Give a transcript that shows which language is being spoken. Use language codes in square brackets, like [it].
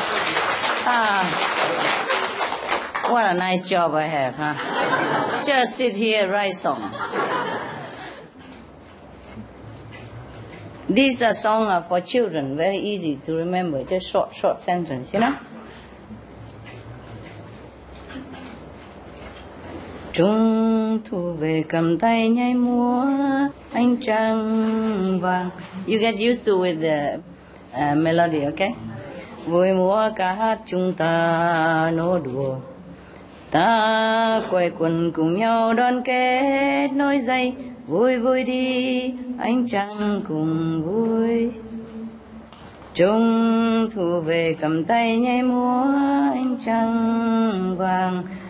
[en] What a nice job I have, huh? Just sit here, write song. These are songs for children, very easy to remember, just short sentence, you know? [vi] Trung thu về cầm tay nhảy múa ánh trăng vàng. [en] You get used to with the melody, okay? [vi] Vui múa ca hát chúng ta nô đùa. Ta quay quần cùng nhau đoàn kết nối dây. Vui vui đi ánh trăng cùng vui. Trung thu về cầm tay nhảy múa ánh trăng vàng.